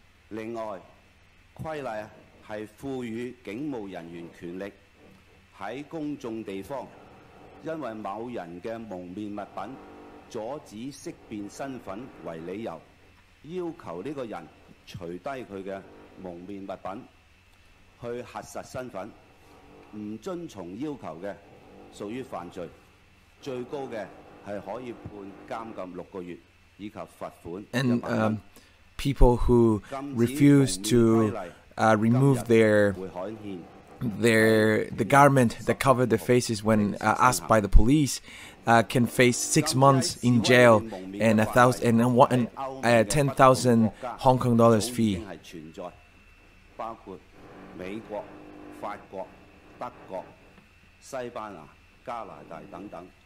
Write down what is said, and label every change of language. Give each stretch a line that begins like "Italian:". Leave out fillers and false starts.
Cantonese: 另外，規例是賦予警務人員權力，在公眾地方，因為某人的蒙面物品阻止識辨身份為理由，要求這個人除低他的蒙面物品，去核實身份，不遵從要求的屬於犯罪，最高的是可以判監禁六個月，以及罰款一萬元。
English: People who refuse to remove the garment that covered their faces when asked by the police can face 6 months in jail and $10,000 fee.
Cantonese: 包括美國、法國、德國、西班牙、加拿大等等。